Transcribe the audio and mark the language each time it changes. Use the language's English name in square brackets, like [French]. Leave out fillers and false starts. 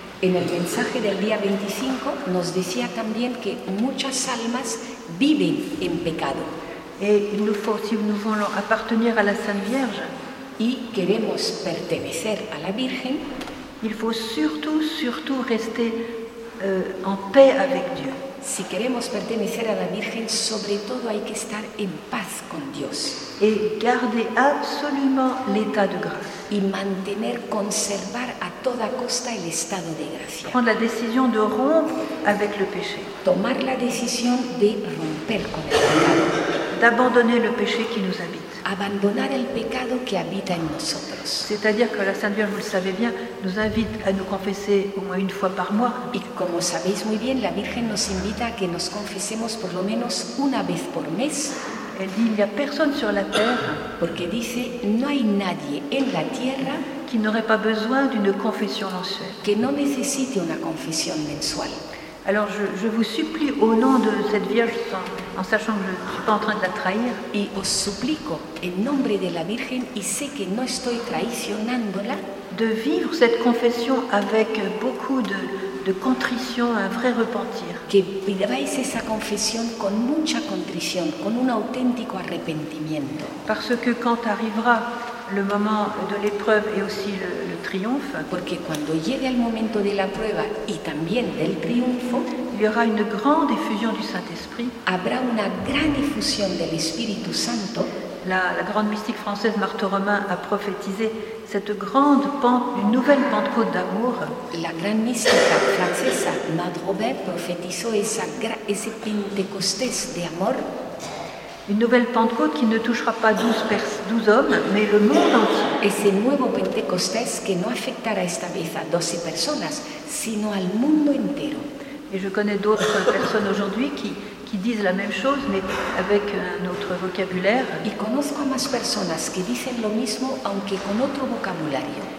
[Spanish] En el mensaje del día 25 nos decía también que muchas almas viven en pecado. [French] Et il nous faut, si nous voulons appartenir à la Sainte Vierge, [Spanish] y queremos pertenecer a la Virgen, [French] il faut surtout, surtout rester en paix avec Dieu. [Spanish] Si queremos pertenecer a la Virgen, sobre todo hay que estar en paz con Dios. [French] Et garder absolument l'état de grâce. [Spanish] Y mantener, conservar a toda costa el estado de gracia. [French] Prendre la décision de rompre avec le péché. [Spanish] Tomar la decisión de romper con el pecado. [French] D'abandonner le péché qui nous habite. [Spanish] Abandonar el pecado que habita en nosotros. [French] C'est-à-dire que la Sainte Vierge, vous le savez bien, nous invite à nous confesser au moins une fois par mois. [Spanish] Y como sabéis muy bien, la Virgen nos invita a que nos confesemos por lo menos una vez por mes. [French] Elle dit, il n'y a personne sur la terre, [Spanish] porque dice, no hay nadie en la tierra, [French] qui n'aurait pas besoin d'une confession mensuelle. [Spanish] Que no necesite una confesión mensual. [French] Alors je vous supplie au nom de cette Vierge Sainte, en sachant que je ne suis pas en train de la trahir. [Spanish] Y os suplico en nombre de la Virgen y sé que no estoy traicionándola. [French] De vivre cette confession avec beaucoup de contrition, un vrai repentir. [Spanish] Que viváis esa confesión con mucha contrición, con un auténtico arrepentimiento. [French] Parce que quand arrivera le moment de l'épreuve et aussi le triomphe. [Spanish] Porque cuando llegue el momento de la prueba y también del triunfo. [French] Il y aura une grande effusion du Saint-Esprit. [Spanish] Habrá una gran efusión del Espíritu Santo. [French] La grande mystique française Marthe Romain a prophétisé cette grande pente, une nouvelle Pentecôte d'amour. La grande mystique française [Spanish] Marthe Romain prophétisa ese Pentecostés de amor. [French] Une nouvelle Pentecôte qui ne touchera pas 12 hommes, mais le monde entier. Et ce nouveau [Spanish] Pentecostés qui ne affectera esta vez à 12 personnes, sino al mundo entero. [French] Et je connais d'autres personnes aujourd'hui qui disent la même chose, mais avec un autre vocabulaire. [Spanish] Y conozco a más personas que dicen lo mismo, aunque con otro vocabulario.